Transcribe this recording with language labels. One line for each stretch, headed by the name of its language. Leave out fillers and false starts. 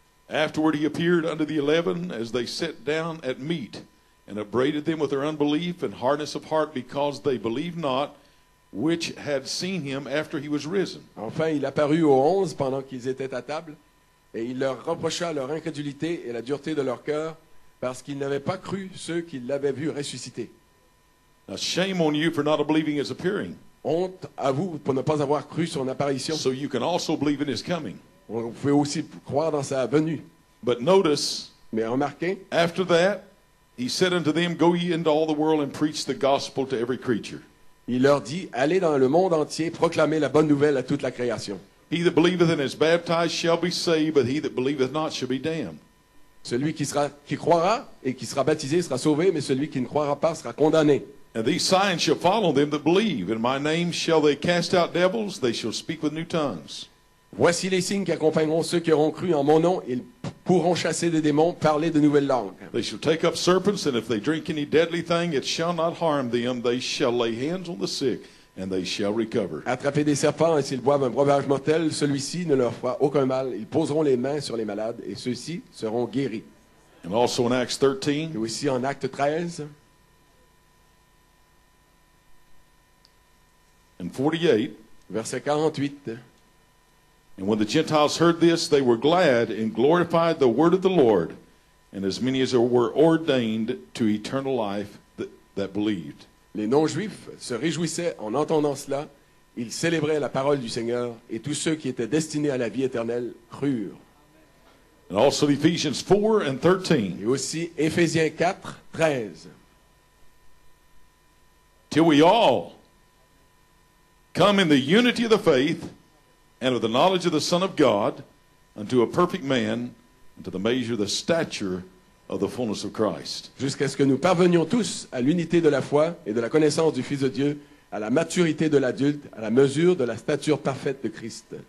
English: Afterward, he appeared unto the 11 as they sat down at meat, and upbraided them with their unbelief and hardness of heart, because they believed not. Which had seen him after he was risen.
French: Enfin, il apparut aux onze pendant qu'ils étaient à table, et il leur reprocha leur incrédulité et la dureté de leur cœur, parce qu'ils n'avaient pas cru ceux qui l'avaient vu ressusciter.
English: Now, shame on you for not believing his appearing.
French: Honte à vous pour ne pas avoir cru son apparition.
English: So you can also believe in his coming.
French: On peut aussi croire dans sa venue.
English: But notice,
French: mais remarquez,
English: after that, he said unto them, Go ye into all the world and preach the gospel to every creature.
French: Il leur dit, allez dans le monde entier, proclamez la bonne nouvelle à toute la création.
English: He that believeth and is baptized shall be saved, but he that believeth not shall be damned.
French: Celui qui croira et qui sera baptisé sera sauvé, mais celui qui ne croira pas sera condamné.
English: And these signs shall follow them that believe. In my name shall they cast out devils, they shall speak with new tongues.
French: Voici les signes qui accompagneront ceux qui auront cru en mon nom. Ils pourront chasser des démons, parler de nouvelles langues.
English: They shall take up serpents, and if they drink any deadly thing, it shall not harm them. They shall lay hands on the sick, and they shall recover.
French: Attraper des serpents, et s'ils boivent un breuvage mortel, celui-ci ne leur fera aucun mal. Ils poseront les mains sur les malades, et ceux-ci seront guéris.
English: And also in Acts 13.
French: Et aussi en Acte 13.
English: In 48.
French: Verset 48.
English: And when the Gentiles heard this, they were glad and glorified the word of the Lord, and as many as were ordained to eternal life that believed.
French: Les non-juifs se réjouissaient en entendant cela. Ils célébraient la parole du Seigneur, et tous ceux qui étaient destinés à la vie éternelle crurent.
English: And also Ephesians 4 and 13.
French: Et aussi Éphésiens 4, 13.
English: Till we all come in the unity of the faith, and of the knowledge of the Son of God, unto a perfect man, unto the measure of the stature of the fullness of Christ.
French: Jusqu'à ce que nous parvenions tous à l'unité de la foi et de la connaissance du Fils de Dieu, à la maturité de l'adulte, à la mesure de la stature parfaite de Christ.